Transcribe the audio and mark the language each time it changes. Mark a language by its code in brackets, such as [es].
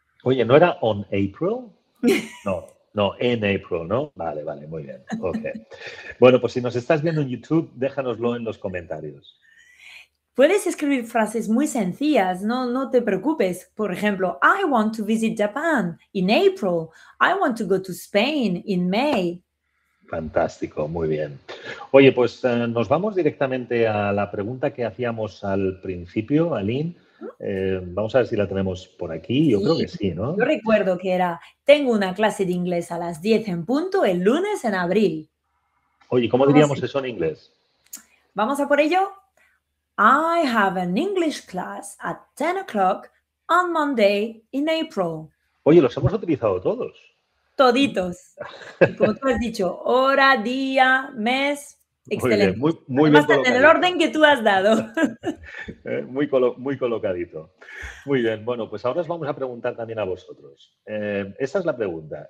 [es] Oye, ¿no era on April? No, en April, ¿no? Vale, muy bien. Okay. Bueno, pues si nos estás viendo en YouTube, déjanoslo en los comentarios. Puedes escribir frases muy sencillas, no te preocupes. [en] Por ejemplo, I want to visit Japan in April. I want to go to Spain in May. [es] Fantástico, muy bien. Oye, pues nos vamos directamente a la pregunta que hacíamos al principio, Aline. Vamos a ver si la tenemos por aquí. Yo sí, creo que sí, ¿no? Yo recuerdo que era, tengo una clase de inglés a las 10 en punto el lunes en abril. Oye, ¿cómo diríamos eso en inglés? Vamos a por ello. [en] I have an English class at 10 o'clock on Monday in April. [es] Oye, los hemos utilizado todos. Toditos. Como tú has dicho, hora, día, mes, Excelente. Muy bien, muy además, bien colocado. En el orden que tú has dado. Muy colocadito. Muy bien, bueno, pues ahora os vamos a preguntar también a vosotros. Esa es la pregunta.